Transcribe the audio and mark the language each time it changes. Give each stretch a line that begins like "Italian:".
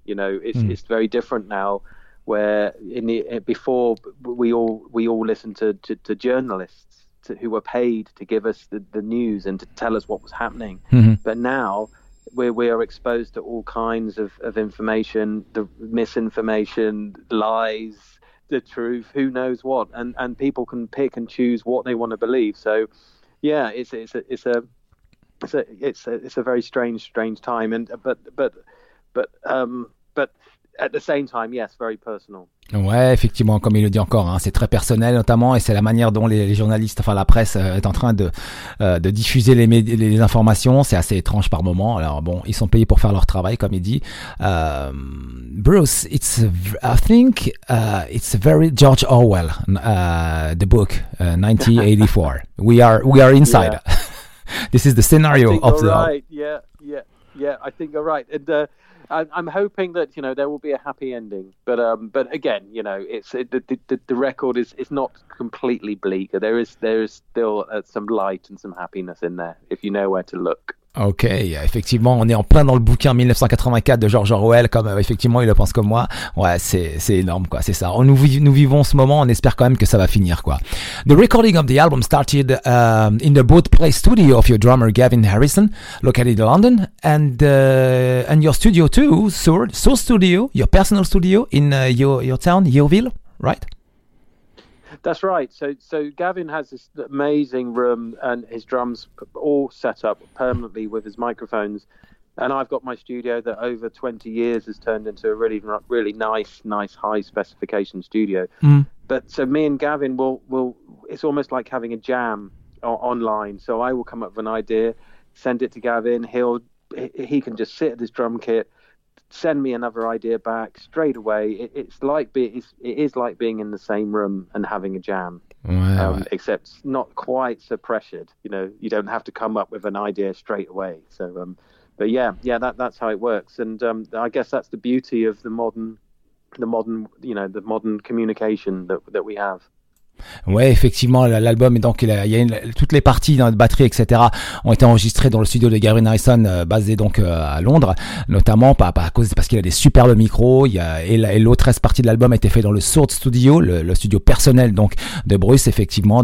English: You know, it's very different now. Where before we all listened to journalists who were paid to give us the news and to tell us what was happening, but now we are exposed to all kinds of information, the misinformation, lies, the truth, who knows what, and people can pick and choose what they want to believe. So, yeah, it's a very strange time, but at the same time, yes, very personal.
French: Ouais, effectivement, comme il le dit encore, hein, c'est très personnel notamment, et c'est la manière dont les journalistes, enfin la presse, est en train de diffuser les informations. C'est assez étrange par moments. Alors bon, ils sont payés pour faire leur travail, comme il dit.
English: Bruce, I think it's very George Orwell, the book 1984. We are inside. Yeah. This is the scenario of the. Right. Yeah. I think you're right. And, I'm hoping that, you know, there will be a happy ending, but again, you know, the record is not completely bleak. There is still some light and some happiness in there if you know where to look.
French: Ok, effectivement, on est en plein dans le bouquin 1984 de George Orwell, comme effectivement il le pense comme moi. Ouais, c'est énorme, quoi. C'est ça. Nous vivons ce moment. On espère quand même que ça va finir, quoi.
English: The recording of the album started in the Boat Play Studio of your drummer Gavin Harrison, located in London, and your studio too, Soul Studio, your personal studio in your town, Yeovil, right? That's right. So Gavin has this amazing room and his drums all set up permanently with his microphones. And I've got my studio that over 20 years has turned into a really, really nice, nice high specification studio. Mm. But so me and Gavin will it's almost like having a jam online. So I will come up with an idea, send it to Gavin. He can just sit at his drum kit, send me another idea back straight away. It is like being in the same room and having a jam.
French: Ouais, ouais.
English: Except not quite so pressured, you know. You don't have to come up with an idea straight away, so but yeah that's how it works. And I guess that's the beauty of the modern, you know, the modern communication that we have.
French: Ouais, effectivement, l'album est donc toutes les parties dans la batterie, etc., ont été enregistrées dans le studio de Gavin Harrison, basé donc à Londres, notamment parce qu'il a des superbes micros. Et l'autre partie de l'album a été fait dans le Sword Studio, le studio personnel donc de Bruce, effectivement.